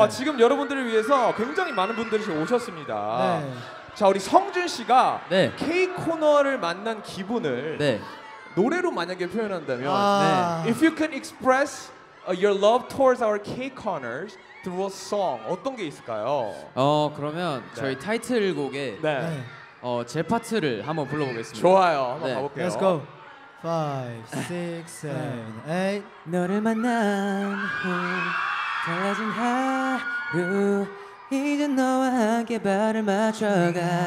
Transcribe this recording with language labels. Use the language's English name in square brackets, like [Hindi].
[Korean] 지금 여러분들을 위해서 굉장히 많은 분들이 오셨습니다. 네. 자, 우리 성준 씨가 네. K-코너를 만난 기분을 네. 노래로 만약에 표현한다면 아. 네. [English] If you can express your love towards our K-Corners, through a song, [Korean] 어떤 게 있을까요? 그러면 네. 저희 타이틀곡에 네. 제 파트를 한번 불러보겠습니다. 좋아요, 한번 네. 가볼게요. [English] Let's go. 5, 6, 7, 8 [Korean] 너를 만난 후 달라진 하루 이제 너와 함께 발을 맞춰가